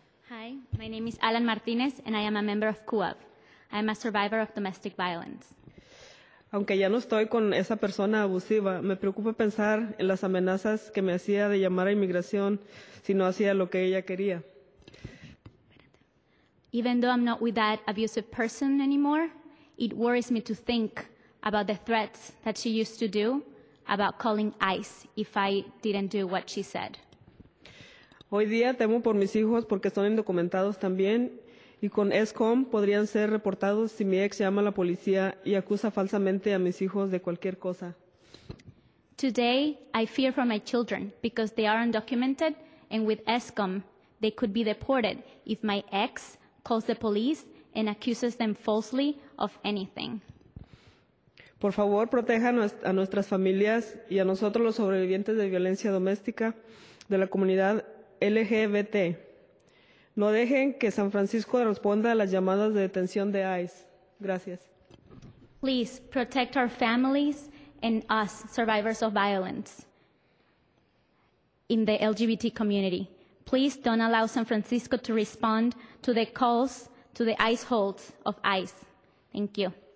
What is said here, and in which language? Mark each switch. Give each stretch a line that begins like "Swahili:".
English: Hi, my name is Alan Martínez and I am a member of CUA. I am a survivor of domestic violence.
Spanish: Aunque ya no estoy con esa persona abusiva, me preocupa pensar en las amenazas que me hacía de llamar a inmigración si no hacía lo que ella quería.
English: Even though I'm not with that abusive person anymore, it worries me to think about the threats that she used to do, about calling ICE if I didn't do what she said.
Spanish: Hoy día temo por mis hijos porque son indocumentados también. Y con ESCOM podrían ser reportados si mi ex llama a la policía y acusa falsamente a mis hijos de cualquier cosa.
English: Today, I fear for my children because they are undocumented, and with ESCOM, They could be deported if my ex calls the police and accuses them falsely of anything.
Spanish: Por favor, proteja a nuestras familias y a nosotros los sobrevivientes de violencia doméstica de la comunidad LGBT. No dejen que San Francisco responda a las llamadas de detención de ICE. Gracias.
English: Please protect our families and us, survivors of violence in the LGBT community. Please don't allow San Francisco to respond to the calls to the ICE holds of ICE. Thank you.